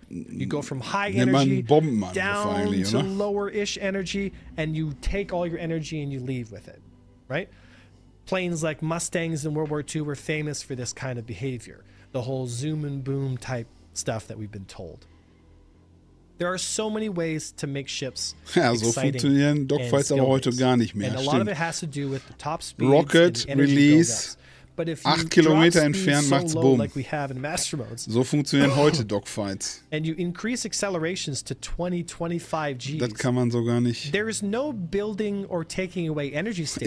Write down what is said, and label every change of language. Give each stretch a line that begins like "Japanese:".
English: You go from high energy down to lower-ish energy, and you take all your energy and you leave with it, right? Planes like Mustangs in World War II were famous for this kind of behavior, the whole zoom and boom type stuff that we've been told. There are so many ways to make ships
German: so funktionieren Dogfights aber heute gar nicht mehr.
English: And a lot of it has to do with the top speed. Rocket release. But if
German: 8 Kilometer entfernt so macht's boom.
English: Like we have in Master Modes,
German: so funktionieren heute Dogfights.
English: And you increase accelerations to 20-25 Gs.
German: Das kann man so gar nicht.
English: There is no building or taking away energy state.